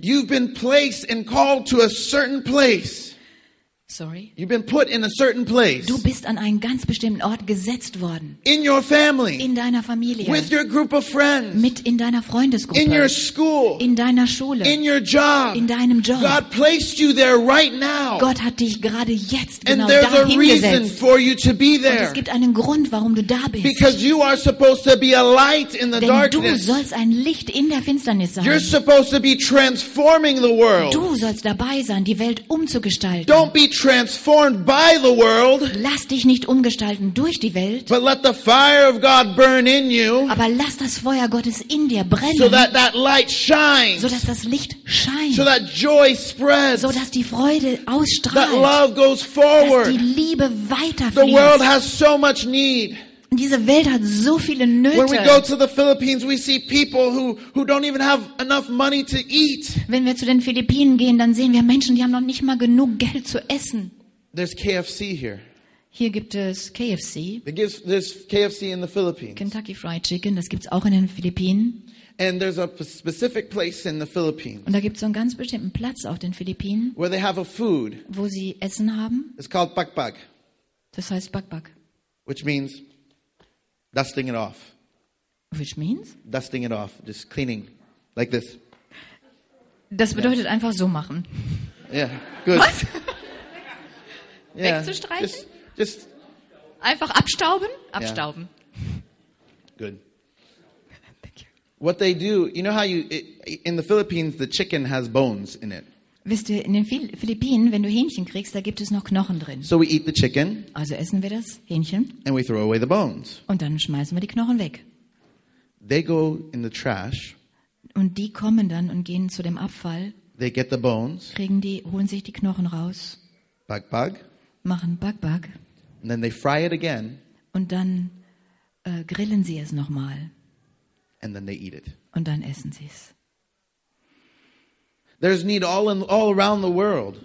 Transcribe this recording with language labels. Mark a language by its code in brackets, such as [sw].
[en] You've been placed and called to a certain place. Sorry. You've been put in a certain place. [de] Du bist an einen ganz bestimmten Ort gesetzt worden. [en] In your family. [de] In deiner Familie. [en] With your group of friends. [de] Mit in deiner Freundesgruppe. [en] In your school. [de] In deiner Schule. [en] In your job. [de] In deinem Job. [en] God placed you there right now. [de] Gott hat dich gerade jetzt genau da hingesetzt. [en] And there's a reason for you to be there. [de] Und es gibt einen Grund, warum du da bist. [en] Because you are supposed to be a light in the darkness. [de] Denn du sollst ein Licht in der Finsternis sein. [en] You're supposed to be transforming the world. [de] Du sollst dabei sein, die Welt umzugestalten. [en] Don't be transformed by the world. [de] Lass dich nicht umgestalten durch die Welt. [en] But let the fire of God burn in you. [de] Aber lass das Feuer Gottes in dir brennen. [en] So that that light shines. [de] So dass das Licht scheint. [en] So that joy spreads. [de] So dass die Freude ausstrahlt. [en] That love goes forward. [de] Dass die Liebe weiterfließt. [en] The world has so much need. [de] Diese Welt hat so viele Nöte. [en] When we go to the Philippines, we see people who don't even have enough money to eat. [de] Wenn wir zu den Philippinen gehen, dann sehen wir Menschen, die haben noch nicht mal genug Geld zu essen. [en] There's KFC here. [de] Hier gibt es KFC. [en] There's KFC in the Philippines. [de] Kentucky Fried Chicken, das gibt's auch in den Philippinen. [en] And there's a specific place in the Philippines. [de] Und da gibt's so einen ganz bestimmten Platz auf den Philippinen. [en] Where they have a food. [de] Wo sie Essen haben. [en] It's called bakbak. [de] Das heißt bakbak. [en] Which means dusting it off. Which means? Dusting it off, just cleaning, like this. [de] Das bedeutet yeah. Einfach so machen. [en] Yeah, good. [de] Was? Yeah. Wegzustreichen? [en] Just. [de] Einfach abstauben? Abstauben. [en] Yeah. Good. Thank you. What they do, you know how you, in the Philippines, the chicken has bones in it. [de] Wisst ihr, in den Philippinen, wenn du Hähnchen kriegst, da gibt es noch Knochen drin. [en] So we eat the chicken. [de] Also essen wir das Hähnchen. [en] And we throw away the bones. [de] Und dann schmeißen wir die Knochen weg. [en] They go in the trash. [de] Und die kommen dann und gehen zu dem Abfall. [en] They get the bones. [de] Kriegen die, holen sich die Knochen raus. [en] Bug bug. [de] Machen bug bug. [en] And then they fry it again. [de] Und dann grillen sie es nochmal. [en] And then they eat it. [de] Und dann essen sie es. [en] There's need all around the world.